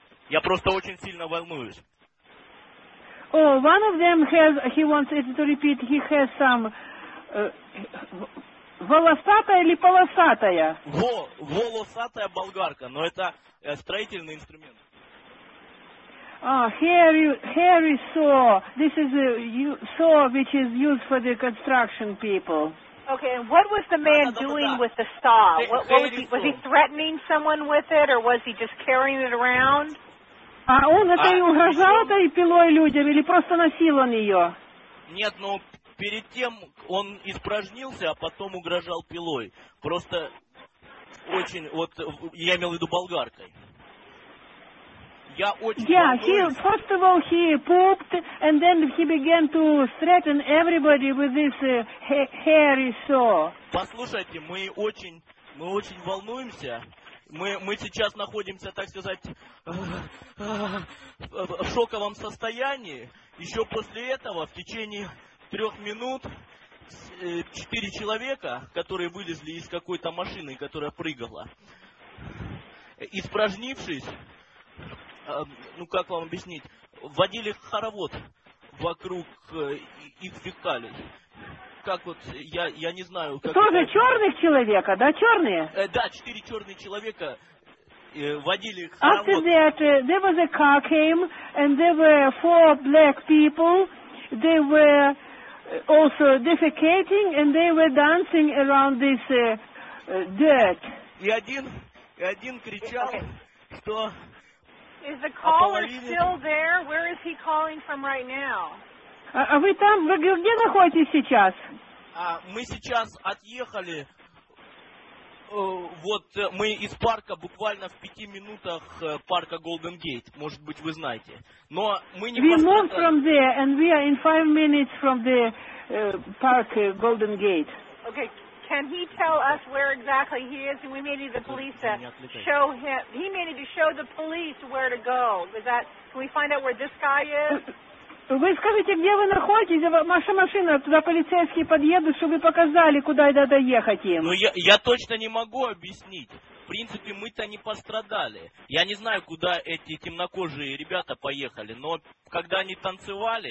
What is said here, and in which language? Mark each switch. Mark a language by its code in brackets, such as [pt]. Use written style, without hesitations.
[ru] Я просто очень сильно волнуюсь. [en] Oh, one of them has, he wants it to repeat, he has some, [ru] волосатая или полосатая? Волосатая болгарка, но это строительный инструмент. [en] Ah, hairy saw, this is a saw which is used for the construction people. Okay, and what was the man doing with the saw? Was he threatening someone with it, or was he just carrying it around? [ru] А он это и угрожал этой пилой людям, или просто носил он ее? Нет, ну, перед тем он испражнился, а потом угрожал пилой. Просто очень, вот, я имел в виду болгаркой. Я очень... [en] Yeah, first of all, he pooped, and then he began to threaten everybody with this hairy saw. [ru] Послушайте, мы очень волнуемся. Мы сейчас находимся, так сказать, в шоковом состоянии. Еще после этого, в течение 3 минут, 4 человека, которые вылезли из какой-то машины, которая прыгала, испражнившись, ну как вам объяснить, водили хоровод вокруг их фекалий. Как вот, я не знаю... Тоже это... черных человека, да, черные? Да, 4 черных человека водили их... [en] After that, there was a car came, and there were 4 black people. They were also defecating, and they were dancing around this dirt. [ru] И один кричал, okay. Что... [en] Is the caller still there? Where is he calling from right now? [ru] А вы там, вы где находитесь сейчас? Мы сейчас отъехали, вот мы из парка буквально в 5 минутах парка Golden Gate, может быть вы знаете, но мы не. [en] We moved from there and we are in 5 minutes from the park Golden Gate. Okay, can he tell us where exactly he is? And we may need the police to show him. He may need to show the police where to go. Is that? Can we find out where this guy is? [ru] Вы скажите, где вы находитесь, ваша машина, туда полицейские подъедут, чтобы вы показали, куда надо ехать им. Ну, я точно не могу объяснить. В принципе, мы-то не пострадали. Я не знаю, куда эти темнокожие ребята поехали, но когда они танцевали...